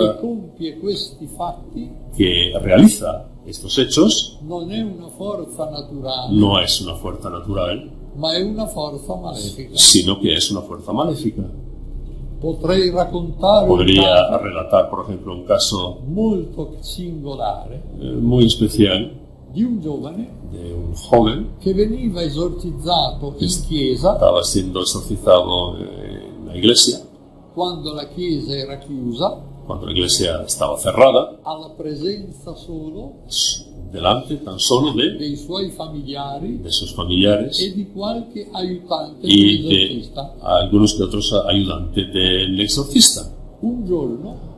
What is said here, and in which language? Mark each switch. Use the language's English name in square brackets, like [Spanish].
[Italian] que, compie questi fatti, [Spanish] que realiza estos hechos [Italian] non è una forza naturale, [Spanish] no es una fuerza natural, [Italian] ma è una forza malefica. [Spanish] Sino que es una fuerza maléfica. [Italian] Potrei raccontare [Spanish] podría un caso, relatar, por ejemplo, un caso [Italian] molto singolare, [Spanish] muy especial, [Italian] di un giovane, [Spanish] de un joven [Italian] que veniva esorcizzato in chiesa, [Spanish] estaba siendo exorcizado en la iglesia, [Italian] quando la chiesa era chiusa, [Spanish] cuando la iglesia estaba cerrada, [Italian] alla presenza solo, [Spanish] delante tan solo de, [Italian] dei suoi familiari, [Spanish] de sus familiares [Italian] e di qualche aiutante [Spanish] y de algunos que otros ayudantes del exorcista. [Italian] Un giorno,